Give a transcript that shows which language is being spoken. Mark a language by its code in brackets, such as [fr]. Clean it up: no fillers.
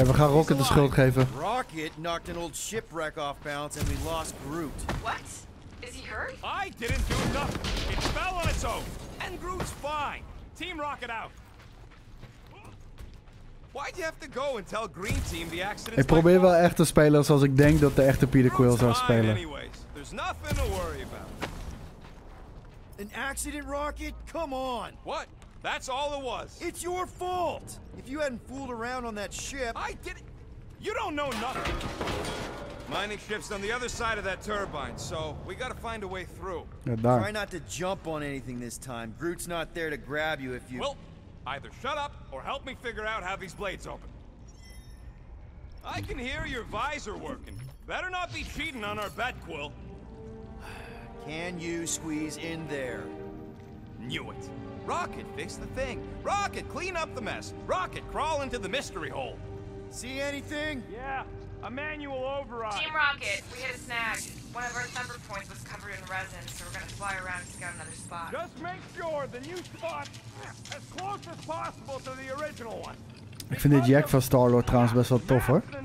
[nl] Okay, we gaan Rocket de schuld geven. [en] Rocket knocked an old shipwreck off balance and we lost Groot. What? Is he hurt? I didn't do nothing. It fell on its own. And Groot's fine. Team Rocket out. Why'd you have to go and tell Green Team the accident? [nl] Ik probeer wel echt te spelen zoals ik denk dat de echte Peter Quill zou spelen. [en] There's nothing to worry about. An accident, Rocket? Come on. What? That's all it was. It's your fault. If you hadn't fooled around on that ship, I did. You don't know nothing. Mining ship's on the other side of that turbine, so we gotta find a way through. Yeah, try not to jump on anything this time. Groot's not there to grab you if you. Well, either shut up or help me figure out how these blades open. I can hear your visor working. Better not be cheating on our bet, Quill. Can you squeeze in there? Knew it. Rocket, fix the thing. Rocket, clean up the mess. Rocket, crawl into the mystery hole. See anything? Yeah, a manual override. Team Rocket, we hit a snag. One of our thumper points was covered in resin, so we're gonna fly around to scout another spot. Just make sure the new spot as close as possible to the original one. [nl] Ik vind dit jack van Star-Lord trouwens best wel tof, hoor.